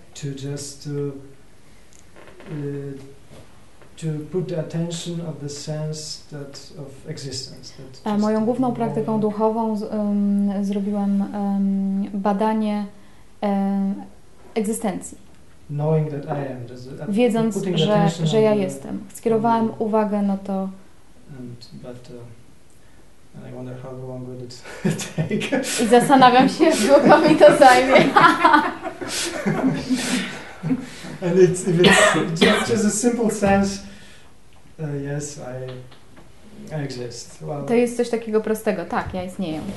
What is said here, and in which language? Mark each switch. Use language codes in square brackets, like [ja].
[en] To just to put the attention of the sense that of existence. [pl] Moją główną praktyką duchową zrobiłem badanie egzystencji. [en] Knowing that I am, [pl] wiedząc, że ja jestem. Skierowałem uwagę na to. [en] And I wonder how long would it take. [pl] I zastanawiam się, długo mi to zajmie. [en] And it's just a simple sense, yes, I exist. [pl] Well, to jest coś takiego prostego, tak, ja istnieję.